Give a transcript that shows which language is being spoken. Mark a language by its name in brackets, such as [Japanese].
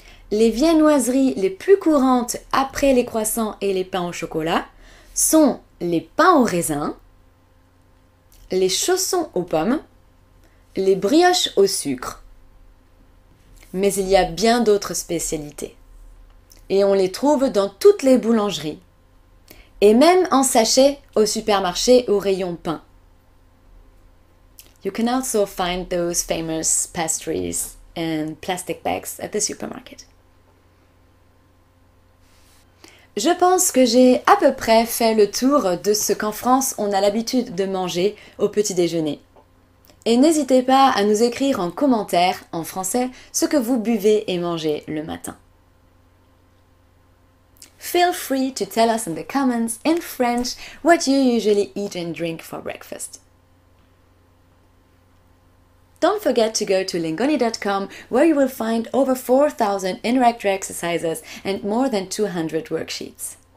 [French] les viennoiseries les plus courantes après les croissants et les pains au chocolat sont les pains au raisin, les chaussons aux pommes, les brioches au sucre. Mais il y a bien d'autres spécialités. Et on les trouve dans toutes les boulangeries. Et même en sachet au supermarché au rayon pain. [English] You can also find those famous pastries in plastic bags at the supermarket. [French] Je pense que j'ai à peu près fait le tour de ce qu'en France on a l'habitude de manger au petit déjeuner. Et n'hésitez pas à nous écrire en commentaire, en français, ce que vous buvez et mangez le matin. [English] Feel free to tell us in the comments, in French, what you usually eat and drink for breakfast. Don't forget to go to lingoni.com where you will find over 4,000 interactive exercises and more than 200 worksheets.